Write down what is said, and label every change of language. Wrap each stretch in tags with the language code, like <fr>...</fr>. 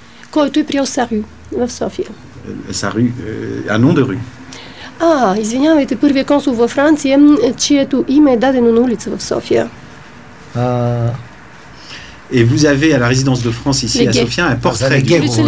<bg>Който е приел Сарю в София.</bg> <fr>Сарю, un nom de rue.</fr> <bg>Извинявайте, първият консул във Франция, чието име е дадено на улица в София.</bg> <fr>Et vous avez à la résidence de France ici à Sofia un portrait du consul</fr>